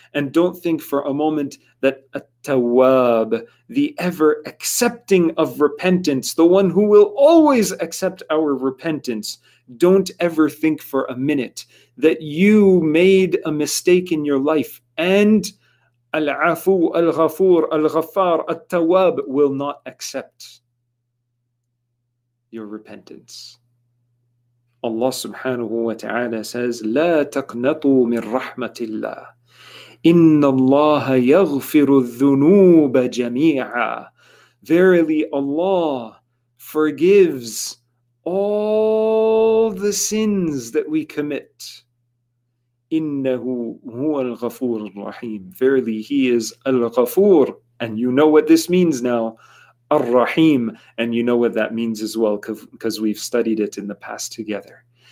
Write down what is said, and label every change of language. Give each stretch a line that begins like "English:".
English: And don't think for a moment that At-Tawwab, the ever-accepting of repentance, the one who will always accept our repentance, don't ever think for a minute that you made a mistake in your life and Al-Afu, Al-Ghafur, Al-Ghaffar, At-Tawwab will not accept your repentance. Allah subhanahu wa ta'ala says,
Arabic: لا تقنطوا من رحمة الله إن الله يغفر الذنوب جميعا.
English: Verily Allah forgives all the sins that we commit.
Arabic: إِنَّهُ هُوَ الْغَفُورُ الرَّحِيمُ.
English: Verily He is Al-Ghafoor. And you know what this means now. Ar-Rahim. And you know what that means as well, because we've studied it in the past together.